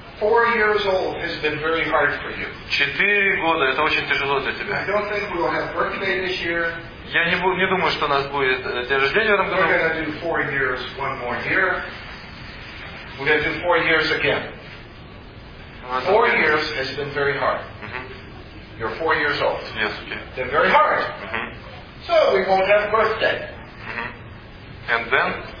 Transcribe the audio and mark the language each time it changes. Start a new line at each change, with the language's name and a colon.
English: 4 years old has been very hard for you.
Russian: 4 года, это очень тяжело для тебя.
English: I don't think we'll have birthday this year.
Russian: Я не думаю, что у нас будет день рождения в этом году.
English: We're gonna do 4 years one more year. We're gonna do 4 years again. 4 years has been very hard. Mm-hmm. You're 4 years old. Yes, okay. Then very hard. Mm-hmm. So we won't have a birthday. Mm-hmm. And then